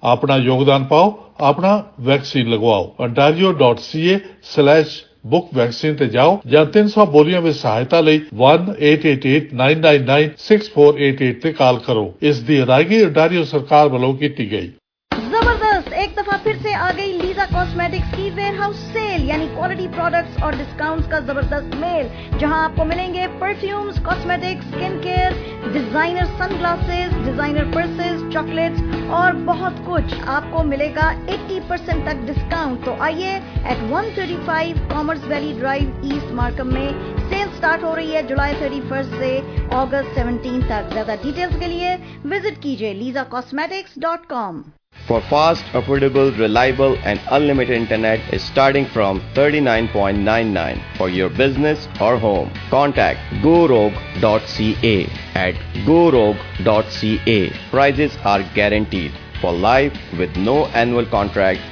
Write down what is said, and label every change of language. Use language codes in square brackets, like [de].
[pa] ਆਪਣਾ ਯੋਗਦਾਨ ਪਾਓ, ਆਪਣਾ ਵੈਕਸੀਨ ਲਗਵਾਓ। ontario.ca/book vaccine ਤੇ ਜਾਓ ਜਾਂ 300 ਬੋਲੀਆਂ ਵਿੱਚ ਸਹਾਇਤਾ ਲਈ 1-888-999-6488 ਤੇ ਕਾਲ ਕਰੋ। ਇਸ ਦੀ ਅਦਾਇਗੀ ਅੰਟਾਰੀਓ ਸਰਕਾਰ ਵੱਲੋਂ ਕੀਤੀ ਗਈ। [hi] एक दफा फिर से आ गई लीजा कॉस्मेटिक्स की वेयर हाउस सेल, यानी क्वालिटी प्रोडक्ट्स और डिस्काउंट्स का जबरदस्त मेल, जहां आपको मिलेंगे perfumes, cosmetics, skin care, designer sunglasses, designer purses, chocolates और बहुत कुछ। आपको मिलेगा 80% तक डिस्काउंट। तो आइए, eight 135 commerce valley drive east Markham में सेल स्टार्ट हो रही है July 31st से August 17th तक। ज्यादा डिटेल्स के लिए विजिट कीजिए leezacosmetics.com। [en] For fast, affordable, reliable and unlimited internet is starting from $39.99 for your business or home. Contact gorogue.ca at gorogue.ca. Prices are guaranteed for life with no annual contract.